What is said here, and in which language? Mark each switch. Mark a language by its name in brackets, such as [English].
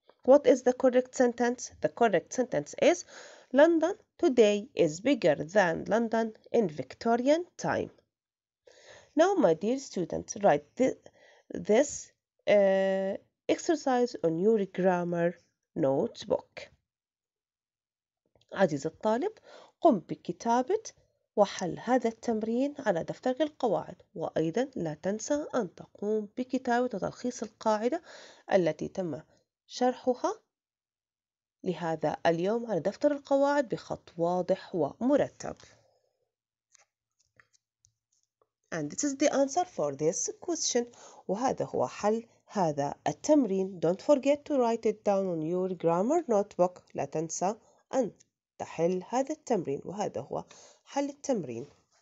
[English] What is the correct sentence? The correct sentence is, London today is bigger than London in Victorian time. Now, my dear students, write this exercise on your grammar notebook. [Arabic] عزيز الطالب قم بكتابة وحل هذا التمرين على دفترك القواعد وأيضا لا تنسى أن تقوم بكتابة وتلخيص القاعدة التي تم شرحها لهذا اليوم على دفتر القواعد بخط واضح ومرتب. [English] And this is the answer for this question. [Arabic] وهذا هو حل هذا التمرين. [English] Don't forget to write it down on your grammar notebook. [Arabic] لا تنسى أن تحل هذا التمرين وهذا هو حل التمرين.